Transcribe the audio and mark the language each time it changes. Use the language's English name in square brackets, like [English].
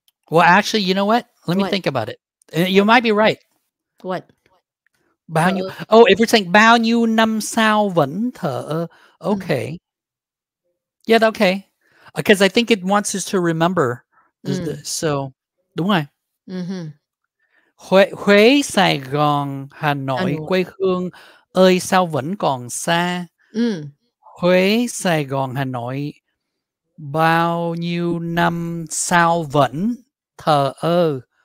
[English] Well, actually, you know what? Let me think about it. You might be right. What? [Vietnamese] Bao nhiêu? [English] Oh, if you're saying [Vietnamese] bao nhiêu năm sau vẫn thở. [English] Okay. Mm. Yeah, okay. Because I think it wants us to remember. [Vietnamese] So, đúng rồi. Mm-hmm. Huế, Sài Gòn, Hà Nội, quê hương ơi sao vẫn còn xa. Mm. Huế, Sài Gòn, Hà Nội, bao nhiêu năm sao vẫn thờ ơ.